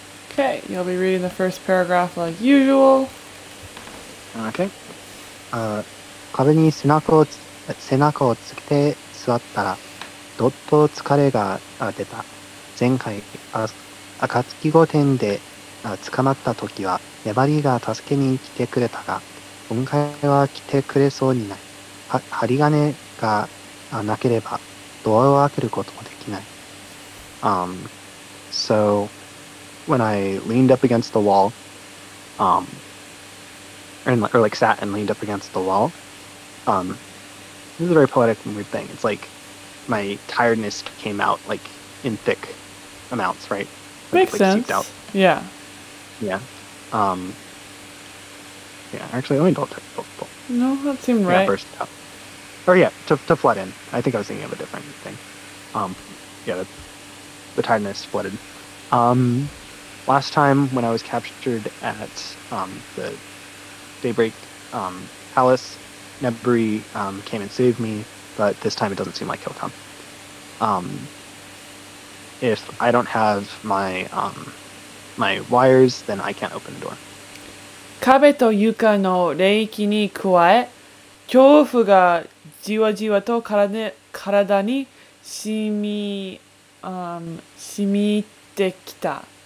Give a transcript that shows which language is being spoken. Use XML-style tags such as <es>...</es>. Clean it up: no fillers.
<en>Okay, you'll be reading the first paragraph like usual. Okay.</en> <ja>壁に背中をつけて座ったら、どっと疲れが出た。前回、暁御殿で捕まった時は、粘りが助けに来てくれたが、今回は来てくれそうにない。針金がなければ、ドアを開けることもできない。</ja> <en>So, when I leaned up against the wall, sat and leaned up against the wall, this is a very poetic and weird thing. It's like my tiredness came out, like, in thick amounts, right? Makes sense. Seeped out. Yeah. Yeah. Yeah, actually, let me double check. No, that seemed right. Yeah, burst out. Or yeah, to flood in. I think I was thinking of a different thing. Yeah, the tiredness flooded. Last time when I was captured at the Daybreak Palace, Nebri came and saved me, but this time it doesn't seem like he'll come. If I don't have my my wires, then I can't open the door.</en> <ja>壁と床の霊気に加え、恐怖がじわじわと体に染み入ってきた。</ja>